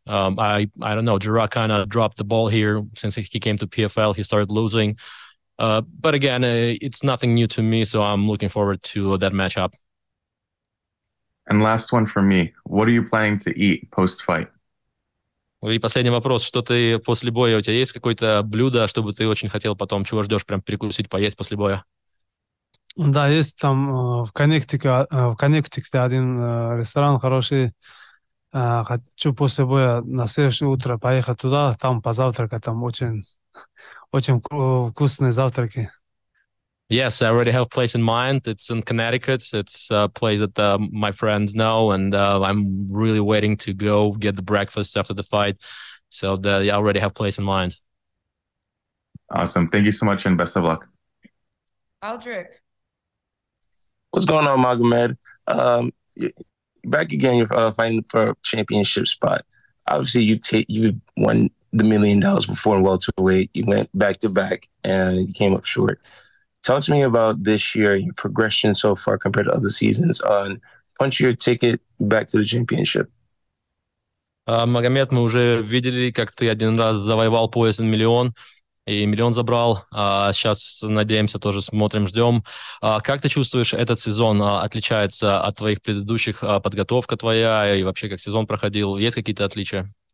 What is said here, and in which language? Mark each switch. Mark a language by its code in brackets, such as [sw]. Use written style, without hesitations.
[en] I don't know. Jiří kind of dropped the ball here since he came to PFL. He started losing. But again, it's nothing new to me. So I'm looking forward to that matchup. And last one for me. What are you planning to eat post-fight? [ru] И последний вопрос. Что ты после боя? У тебя есть какое-то блюдо, чтобы ты очень хотел потом, чего ждешь, прям перекусить, поесть после боя? Да, есть там в Коннектике один ресторан хороший. Хочу после боя на следующее утро поехать туда, там позавтракать, там очень очень вкусные завтраки. [en] Yes, I already have a place in mind. It's in Connecticut. It's a place that my friends know, and I'm really waiting to go get the breakfast after the fight. So I already have a place in mind. Awesome. Thank you so much, and best of luck. Aldrich. What's going on, Magomed? Back again, you're fighting for a championship spot. Obviously, you've won the $1 million before in welterweight. You went back to back, and you came up short. Talk to me about this year, your progression so far compared to other seasons on punch your ticket back to the championship. [ru] Магомед, мы уже видели, как ты один раз завоевал пояс на миллион и миллион забрал. Сейчас надеемся, тоже смотрим, ждем. Как ты чувствуешь, этот сезон отличается от твоих предыдущих? Подготовка твоя и вообще как сезон проходил? Есть какие-то отличия?